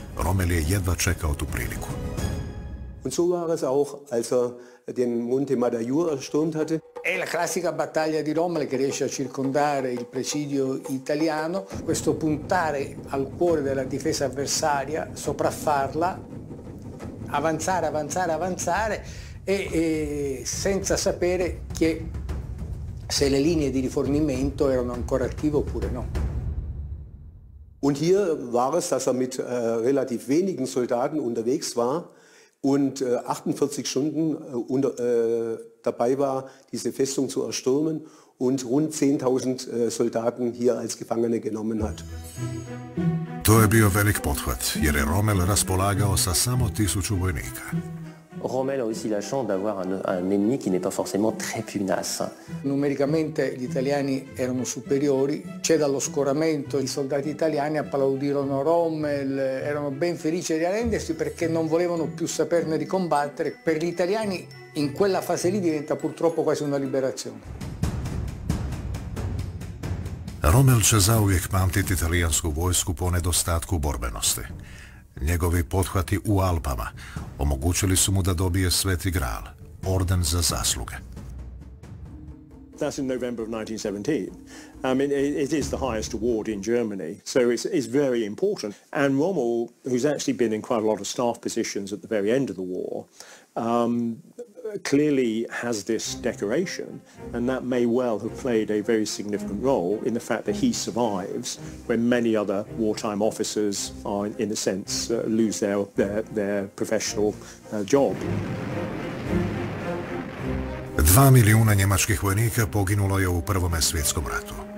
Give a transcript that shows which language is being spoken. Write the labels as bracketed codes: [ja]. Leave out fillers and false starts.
[hr] Rommel je jedva čekao tu priliku. [de] Und so war es auch, als den Monte Madajur erstürmt hatte. [it] È la classica battaglia di Rommel che riesce a circondare il presidio italiano. Questo puntare al cuore della difesa avversaria, sopraffarla, avanzare, avanzare, avanzare e senza sapere che se le linee di rifornimento erano ancora attive oppure no. [de] Und hier war es, dass mit relativ wenigen Soldaten unterwegs war. Und 48 Stunden dabei war, diese Festung zu erstürmen und rund 10.000 Soldaten hier als Gefangene genommen hat. [hr] To je bio velik pothvat, jer je Rommel raspolagao sa samo 1000 vojnika. [fr] Rommel a aussi la chance d'avoir un ennemi qui n'est pas forcément très pugnace. [it] Numericamente gli italiani erano superiori, c'è dallo scoramento, i soldati italiani applaudirono Rommel, erano ben felici di arrendersi perché non volevano più saperne di combattere. Per gli italiani in quella fase lì diventa purtroppo quasi una liberazione. [hr] Rommel će zauvijek pamtiti italijansku vojsku po nedostatku borbenosti. Njegovi pothvati u Alpama omogućili su mu da dobije Sveti Graal, orden za zasluge. [en] That's in November of 1917. I mean, it is the highest award in Germany, so it's very important. And Rommel, who's actually been in quite a lot of staff positions at the very end of the war, clearly has this decoration, and that may well have played a very significant role in the fact that he survives when many other wartime officers are, in a sense, lose their professional job. [hr] 2 milijuna njemačkih vojnika poginulo je u Prvome svjetskom ratu.